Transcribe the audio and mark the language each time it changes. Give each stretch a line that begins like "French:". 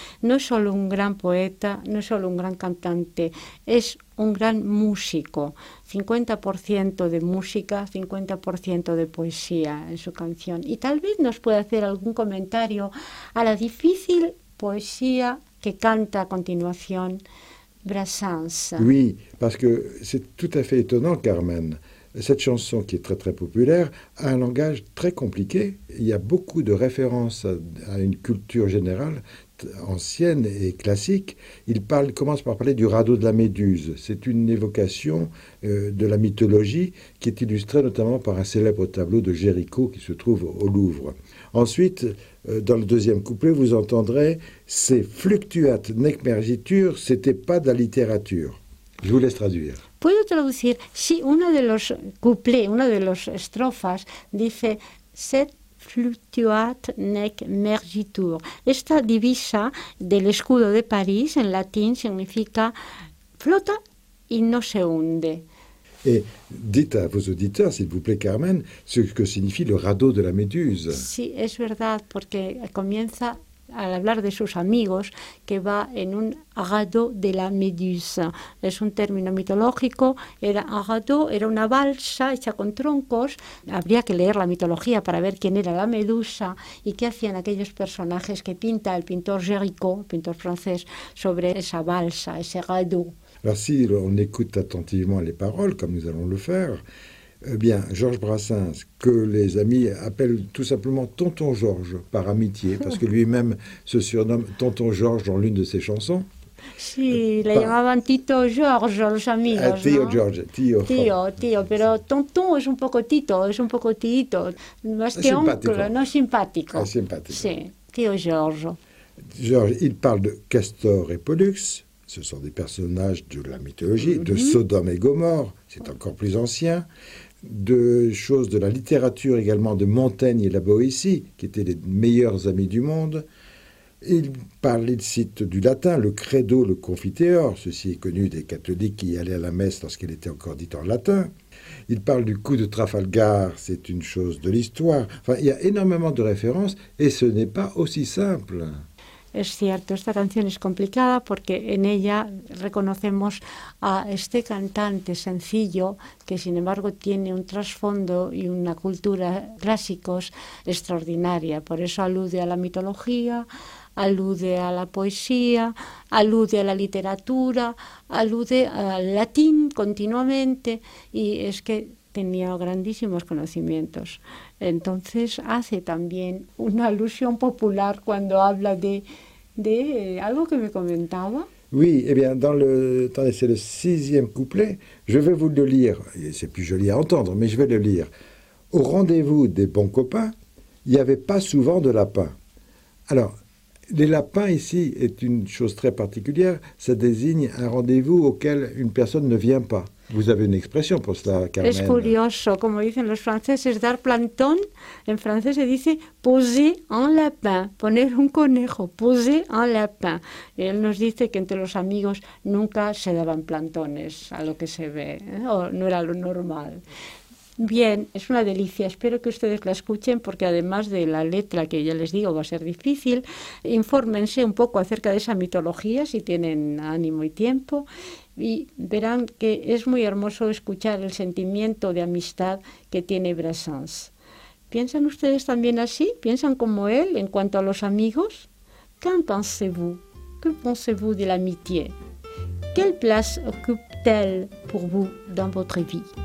Spanish: No es solo un gran poeta, no es solo un gran cantante, es un gran músico. 50% de música, 50% de poesía en su canción. Y tal vez nos pueda hacer algún comentario a la difícil poesía que canta a continuación Brassens.
French: Oui, parce que c'est tout à fait étonnant, Carmen. Cette chanson, qui est très très populaire, a un langage très compliqué. Il y a beaucoup de références à une culture générale ancienne et classique, commence par parler du radeau de la Méduse. C'est une évocation de la mythologie qui est illustrée notamment par un célèbre tableau de Géricault qui se trouve au Louvre. Ensuite, dans le deuxième couplet, vous entendrez « Ces fluctuat necmergitur, c'était pas de la littérature ». Je vous laisse traduire.
Spanish: Puedo traducir. Sí, uno de los couplets, una de las estrofas, dice « Ces fluctuat necmergitur ». Esta divisa del escudo de París, en latín, significa « flota y no se hunde ».
French: Et dites à vos auditeurs, s'il vous plaît, Carmen, ce que signifie le radeau de la Méduse.
Spanish: Sí, es verdad, porque comienza a hablar de sus amigos que va en un radeau de la Méduse. Es un término mitológico. Era un radeau, era una balsa hecha con troncos. Habría que leer la mitología para ver quién era la Medusa y qué hacían aquellos personajes que pinta el pintor Géricault, pintor francés, sobre esa balsa, ese radeau.
French: Alors si on écoute attentivement les paroles, comme nous allons le faire, eh bien, Georges Brassens, que les amis appellent tout simplement Tonton Georges, par amitié, parce que lui-même se surnomme Tonton Georges dans l'une de ses chansons.
Spanish: Si, le llamaban Tito Georges, los amigos. Tío Georges, tío. Tío, pero Tonton es un poco Tito, es un poco Tito. Más que oncle, no simpático. Ah, simpático. Sí, Tío Georges.
French: Georges, il parle de Castor et Pollux. Ce sont des personnages de la mythologie, de Sodome et Gomorre, c'est encore plus ancien, de choses de la littérature également, de Montaigne et la Boétie, qui étaient les meilleurs amis du monde. Il parle, il cite du latin, le credo, le confiteor, ceci est connu des catholiques qui allaient à la messe lorsqu'elle était encore dite en latin. Il parle du coup de Trafalgar, c'est une chose de l'histoire. Enfin, il y a énormément de références et ce n'est pas aussi simple.
Spanish: Es cierto, esta canción es complicada porque en ella reconocemos a este cantante sencillo que sin embargo tiene un trasfondo y una cultura clásicos extraordinaria. Por eso alude a la mitología, alude a la poesía, alude a la literatura, alude al latín continuamente y es que tenía grandísimos conocimientos. Entonces hace también una alusión popular cuando habla de algo que me comentaba.
French: Oui, eh bien, attendez, c'est le sixième couplet. Je vais vous le lire. C'est plus joli à entendre, mais je vais le lire. Au rendez-vous des bons copains, il n'y avait pas souvent de lapins. Alors, les lapins ici est une chose très particulière. Ça désigne un rendez-vous auquel une personne ne vient pas. Vous avez une expression pour cela, Carmen.
Spanish: Es curioso, como dicen los franceses, dar plantón. En francés se dice
French: poser un lapin,
Spanish: poner un conejo, poser un lapin. Y él nos dice que entre los amigos nunca se daban plantones, a lo que se ve, ¿eh? O no era lo normal. Bien, es una delicia. Espero que ustedes la escuchen porque además de la letra que ya les digo va a ser difícil, infórmense un poco acerca de esa mitología si tienen ánimo y tiempo y verán que es muy hermoso escuchar el sentimiento de amistad que tiene Brassens. ¿Piensan ustedes también así? ¿Piensan como él en cuanto a los amigos?
French: Qu'en pensez-vous? Que pensez-vous de l'amitié? Quelle place occupe-t-elle pour vous dans votre vie?